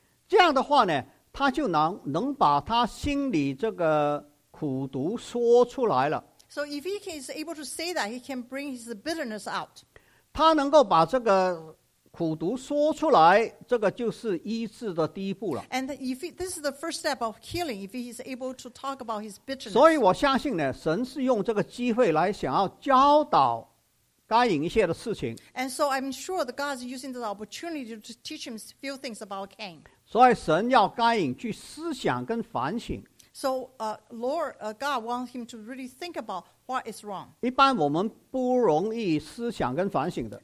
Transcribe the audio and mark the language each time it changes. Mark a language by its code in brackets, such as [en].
[zh] 这样的话呢, 他就能把他心里这个苦毒说出来了。 [en] So if he is able to say that, he can bring his bitterness out. [zh] 他能够把这个苦毒说出来, 这个就是医治的第一步了。 [en] And if this is the first step of healing, if he is able to talk about his bitterness. [zh] 所以我相信呢, 神是用这个机会来想要教导该隐一些的事情。 [en] And so I'm sure that God is using this opportunity to teach him a few things about Cain. [zh] 所以神要该隐去思想跟反省。 [en] So God wants him to really think about what is wrong. [zh] 一般我们不容易思想跟反省的。